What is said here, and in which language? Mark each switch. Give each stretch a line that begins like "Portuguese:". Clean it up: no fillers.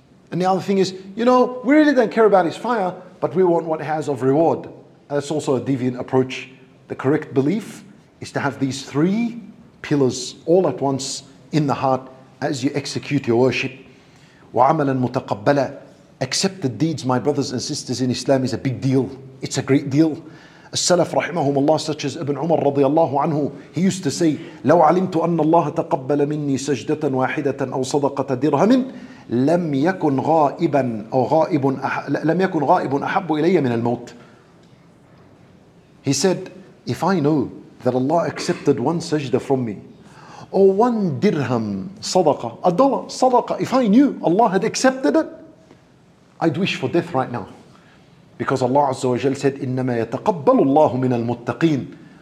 English: And the other thing is, you know, we really don't care about His fire, but we want what He has of reward. That's also a deviant approach. The correct belief is to have these three pillars all at once in the heart as you execute your worship.
Arabic: وَعَمَلًا مُتَقَبَّلًا.
English: Accepted deeds, my brothers and sisters in Islam, is a big deal. It's a great deal.
Arabic: As-salaf rahimahum Allah,
English: such as Ibn Umar radiallahu anhu, he used to say,
Arabic: لَوْ عَلِمْتُ أَنَّ اللَّهَ تَقَبَّلَ مِنِّي سَجْدَةً وَاحِدَةً أَوْ صَدَقَةَ دِرْهَمٍ لَمْ يَكُنْ غَائِبًا أَوْ غَائِبٌ لَمْ يَكُنْ غَائِبٌ أَحَبُّ إِلَيَّ مِنَ الْمَوْتِ.
English: He said, if I know that Allah accepted one sajda from me, or one dirham, sadaqah, a dollar, sadaqah, if I knew Allah had accepted it, I'd wish for death right now. Because Allah Azza wa Jal said,
Arabic: إِنَّمَا يَتَقَبَّلُ اللَّهُ مِنَ الْمُتَّقِينَ.